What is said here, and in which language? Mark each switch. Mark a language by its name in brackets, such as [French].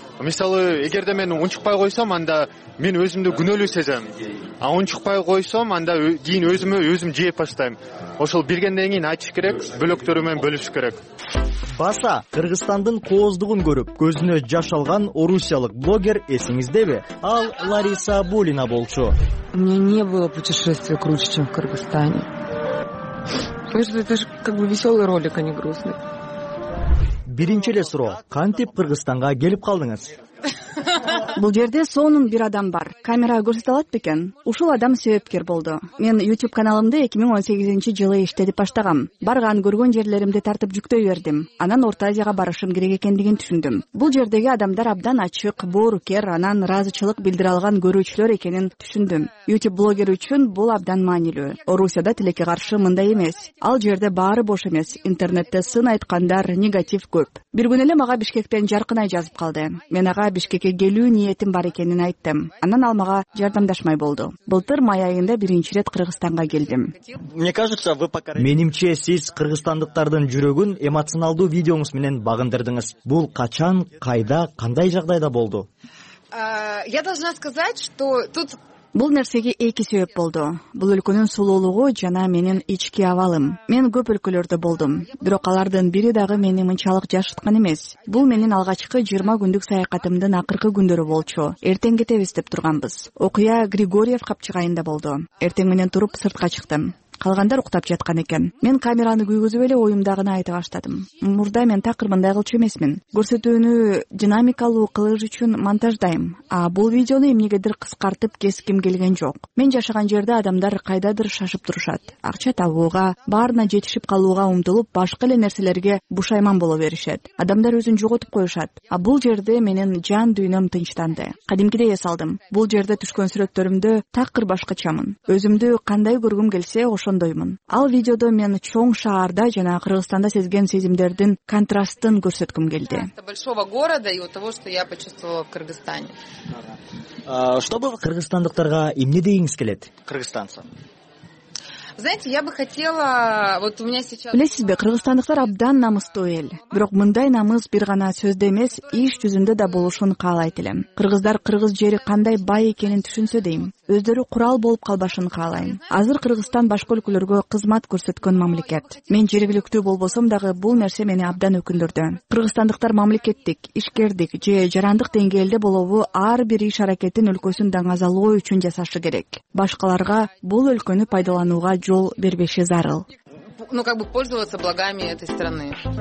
[Kyrgyz] Мисалы, эгерде мен унчукпай койсом, анда мен өзүмдү күнөөлүү сезем. А унчукпай койсом, анда кийин өзүмө өзүм жеп баштайм. Ошол билгенден кийин айтыш керек, бөлөктөрү менен бөлүш керек. Баса Кыргызстандын кооздугун көрүп, көзүнө жаш алган орусиялык блогер эсиңиздеби? Ал Лариса Булина болчу. [Russian] Мне не было путешествия круче, чем в Кыргызстане. Это же как бы веселый ролик, а не грустный. [Kyrgyz] Биринчи эле суроо: кантип Кыргызстанга келип калдыңыз? Бул жерде сонун бир адам бар. Камера көрсөтө алат бекен? Ушул адам себепкер болду. Мен YouTube каналымды 2018 жылы иштетип баштагам. Барган көргөн жерлеримди тартып жүктөй бердим. Анан Орто Азияга барышым керек экендигин түшүндүм. Бул жердеги адамдар абдан ачык, боорукер, анан ыраазычылык билдире алган көрүүчүлөр экенин түшүндүм. YouTube блогер үчүн бул абдан маанилүү. Орусияда тилекке каршы мындай эмес. Ал жерде баары бош эмес. Интернетте сын айткандар, негатив көп. Бир күн эле мага Бишкектен жаркын ай жазып калды. Мен ага Бишкекке келүү ниетим бар экенин айттым. Анан ал мага жардамдашмай болду. Былтыр май айында биринчи рет Кыргызстанга келдим. [Russian] Мне кажется, вы покорили. [Kyrgyz] Менимче сиз кыргызстандыктардын жүрөгүн эмоционалдуу видеоңуз менен багындырдыңыз. Бул качан, кайда, кандай жагдайда болду? [Russian] Я должна сказать, что тут [Kyrgyz] бул нерсеге эки себеп болду. Бул өлкөнүн сулуулугу жана менин ички абалым. Мен көп өлкөлөрдө болдум, бирок алардын бири дагы мени мынчалык жашырткан эмес. Бул менин алгачкы 20 күндүк саякатымдын акыркы күндөрү болчу. Эртең кетебиз деп турганбыз. Окуя Григорьев капчыгай айында болду. Эртең менен туруп сыртка чыктым. Калгандар уктап жаткан экен. Мен камераны күйгүзүп эле оюмдагыны айта баштадым. Мурда мен такыр мындай кылчу эмесмин. Көрсөтүүнү динамикалуу кылыш үчүн монтаждайм. А бул видеону эмнегедир кыскартып кеским келген жок. Мен жашаган жерде адамдар кайдадыр шашып турушат. Акча табууга, баарына жетишип калууга умтулуп, башка эле нерселерге бушайман боло беришет. Адамдар өзүн жоготуп коюшат. А бул жерде менин жан дүйнөм тынчтанды. Кадимкидей эс алдым. Бул жерде түшкөн сүрөттөрүмдө такыр башкачамын. Өзүмдү кандай көргүм келсе ошондоймун. Ал видеодо мен чоң шаарда жана Кыргызстанда сезген сезимдердин контрастын көрсөткүм келди. [Russian] Большого города и того, что я почувствовала в Кыргызстане. Чтобы [Kyrgyz] кыргызстандыктарга эмне дегиңиз келет? [Russian] Кыргызстанцам. Знаете, я бы хотела, вот у меня сейчас. [Kyrgyz] Билесизби, кыргызстандыктар абдан намыстуу эл. Бирок мындай намыс бир гана сөздө эмес, иш жүзүндө да болушун каалайт элем. Кыргыздар кыргыз жери кандай бай экенин түшүнсө дейм. өздөрү курал болуп калбашын каалайм. Азыр Кыргызстан башка өлкөлөргө кызмат көрсөткөн мамлекет. Мен жергиликтүү болбосом дагы бул нерсе мени абдан өкүндүрдү. Кыргызстандыктар мамлекеттик, ишкердик же жарандык деңгээлде болобу ар бир иш аракетин өлкөсүн даңазалоо үчүн жасашы керек. Башкаларга бул өлкөнү пайдаланууга жол бербеши зарыл. [Russian] Ну, как бы пользоваться благами этой страны.